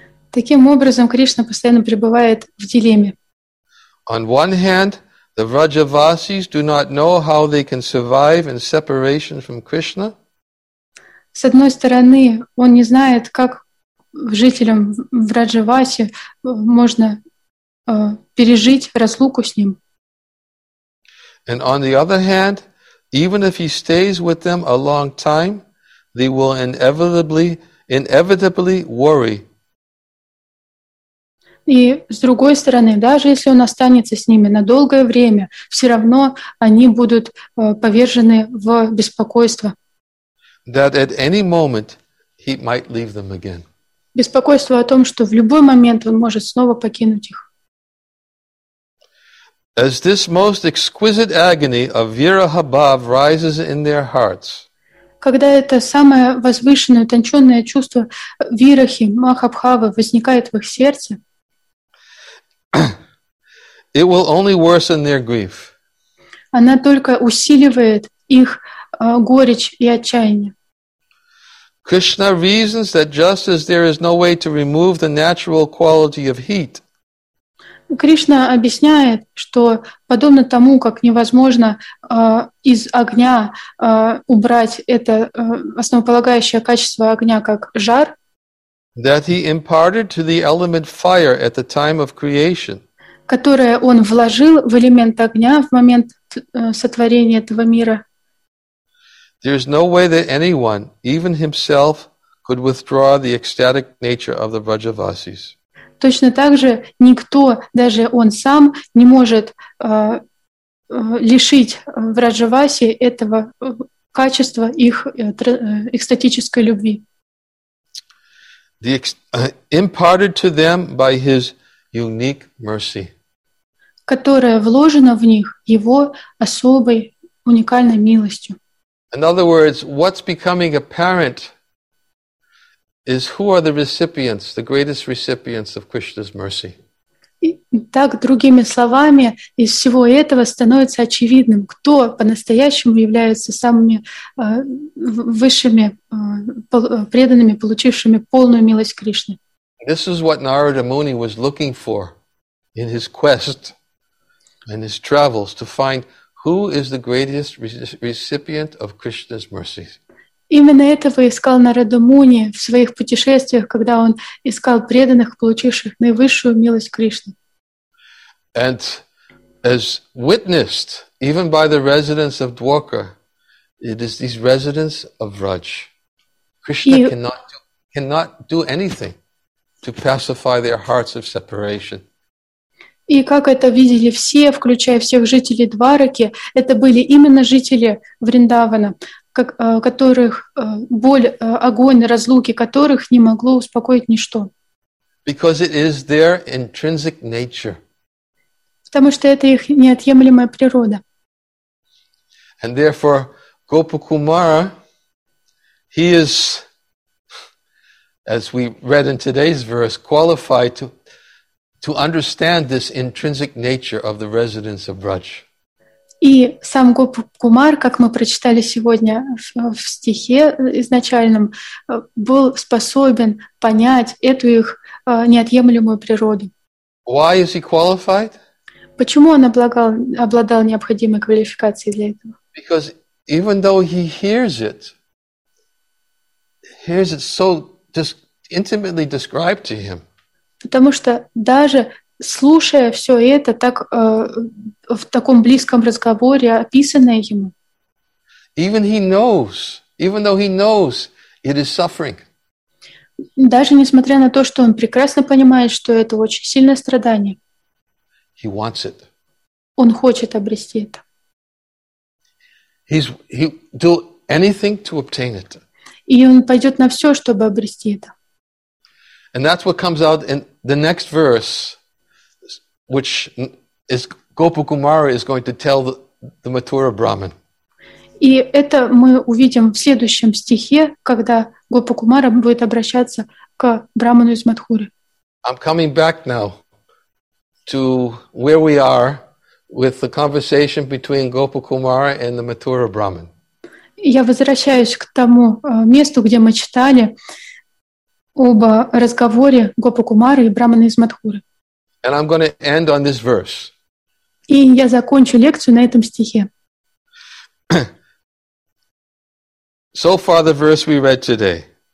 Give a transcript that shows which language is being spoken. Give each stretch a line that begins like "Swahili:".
Russian: Таким образом, Кришна постоянно пребывает в дилемме.
English: On one hand, the Vrajavasis do not know how they can survive in separation from Krishna.
Russian: С одной стороны, он не знает, как жителям Враджаваси можно пережить разлуку с ним.
English: And on the other hand, even if he stays with them a long time, they will inevitably worry.
Russian: И с другой стороны, даже если он останется с ними на долгое время, все равно они будут повержены в беспокойство.
English: That at any moment he might leave them again.
Russian: Беспокойство о том, что в любой момент он может снова покинуть их.
English: As this most exquisite agony of Virahabhav rises in their hearts.
Russian: Когда это самое возвышенное, утонченное чувство вирахи, махабхавы возникает в их сердце,
English: it will only worsen their grief.
Russian: Она только усиливает их горечь и отчаяние.
English: Krishna reasons that just as there is no way to remove the natural quality of heat,
Russian: Кришна объясняет, что подобно тому, как невозможно из огня убрать это основополагающее качество огня, как жар,
English: that he imparted to the element fire at the time of creation,
Russian: которое он вложил в элемент огня в момент сотворения этого мира,
English: there is no way that anyone, even himself, could withdraw the ecstatic nature of the Vrajavasis.
Russian: Точно так же никто, даже он сам, не может лишить Враджаваси этого качества их экстатической любви.
English: Imparted to them by his unique mercy.
Russian: Которая вложена в них его особой уникальной милостью.
English: In other words, what's becoming apparent is who are the recipients, the greatest recipients of Krishna's mercy.
Russian: Так, другими словами, из всего этого становится очевидным, кто по-настоящему является самыми высшими преданными, получившими полную милость Кришны.
English: This is what Narada Muni was looking for in his quest and his travels to find who is the greatest recipient of Krishna's mercy.
Russian: Именно этого искал Нарада Муни в своих путешествиях, когда он искал преданных, получивших наивысшую милость Кришны.
English: And as witnessed even by the residents of Dwarka, it is these residents of Raj. Krishna cannot do anything to pacify their hearts of separation.
Russian: И как это видели все, включая всех жителей Двараки, это были именно жители Вриндавана, которых боль, огонь, разлуки которых не могло успокоить ничто.
English: Because it is their intrinsic nature.
Russian: Потому что это их неотъемлемая природа.
English: And therefore, Gopakumara, he is, as we read in today's verse, qualified to understand this intrinsic nature of the residents of Braj.
Russian: И сам Гопакумар, как мы прочитали сегодня в стихе изначальном, был способен понять эту их неотъемлемую природу.
English: Why is he qualified?
Russian: Почему он обладал необходимой квалификацией для этого?
English: Because even though he hears it so intimately described to him.
Russian: Потому что даже слушая все это так в таком близком разговоре, описанное ему.
English: Even though he knows it is suffering.
Russian: Даже несмотря на то, что он прекрасно понимает, что это очень сильное страдание.
English: He wants it.
Russian: Он хочет обрести это.
English: He'll do anything to obtain it.
Russian: И он пойдет на все, чтобы обрести это.
English: And that's what comes out in the next verse, which is Gopakumara is going to tell the Mathura Brahmin.
Russian: И это мы увидим в следующем стихе, когда Гопакумара будет обращаться к Браману из Матхуры.
English: I'm coming back now to where we are with the conversation between Gopakumara and the Mathura Brahmin.
Russian: Я возвращаюсь к тому месту, где мы читали об разговоре Гопакумары и Брамана из Матхуры.
English: And I'm going to end on this verse.
Russian: И я закончу лекцию на этом стихе.
English: So far the verse we read today.